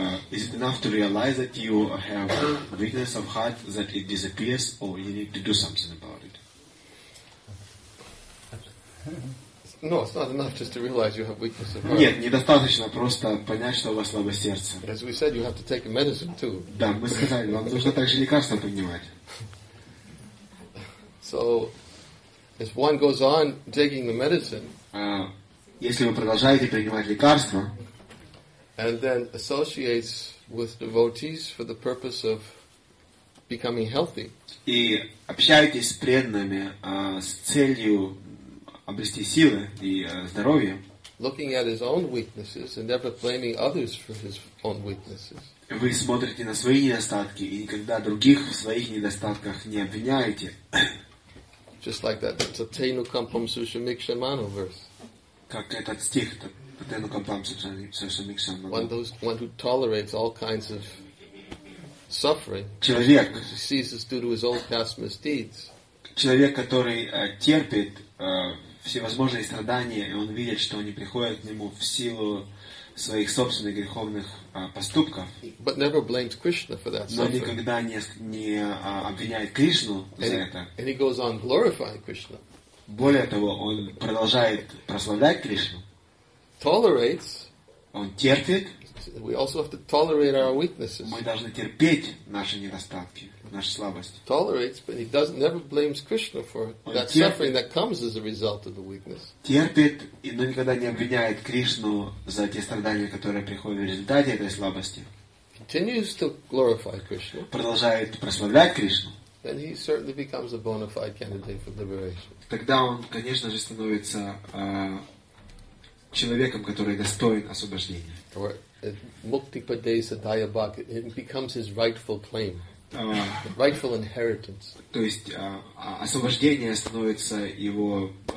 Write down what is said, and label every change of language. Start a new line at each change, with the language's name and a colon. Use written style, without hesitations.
English: Is it enough to realize that you have weakness of heart that it disappears, or you need to do something about it? No, it's not enough just to realize you have weakness of heart.
Russian: Нет, недостаточно просто понять, что у вас слабое сердце.
English: As we said, you have to take a medicine too.
Russian: Да, мы сказали, вам нужно также лекарство принимать.
English: So, if one goes on taking the medicine.
Russian: Если вы продолжаете принимать лекарства,
English: and then associates with devotees for the purpose of becoming healthy,
Russian: и общаетесь с преданными с целью обрести силы и здоровье,
English: looking at his own weaknesses and never blaming others for his own weaknesses,
Russian: вы смотрите на свои недостатки и никогда других в своих недостатках не обвиняете.
English: Just like that, it's a Tenu Kampam Sushamikshamano verse.
Russian: Как этот стих, Tenu Kampam Sushamikshamano.
English: One who tolerates all kinds of suffering.
Russian: Человек.
English: He sees this due to his old past misdeeds.
Russian: Человек, который терпит всевозможные страдания, и он видит, что они приходят к нему в силу своих собственных греховных поступков.
English: But never blames Krishna for that.
Russian: Но никогда не обвиняет Кришну за это.
English: And he goes on glorifying Krishna.
Russian: Более того, он продолжает прославлять Кришну.
English: Tolerates.
Russian: Он терпит.
English: We also have to tolerate our weaknesses.
Russian: Мы должны терпеть наши недостатки, наши слабости.
English: Tolerates, but he doesn't never blames Krishna for that suffering that comes as a result of the weakness.
Russian: Терпит, но никогда не обвиняет Кришну за те страдания, которые приходят в результате этой слабости.
English: Continues to glorify Krishna.
Russian: Продолжает прославлять Кришну.
English: Then he certainly becomes a bona fide candidate for liberation.
Russian: Тогда он, конечно же, становится человеком, который достоин освобождения.
English: Mukti Padesadaya Bhak, it becomes his rightful claim, rightful inheritance.
Russian: То есть освобождение становится его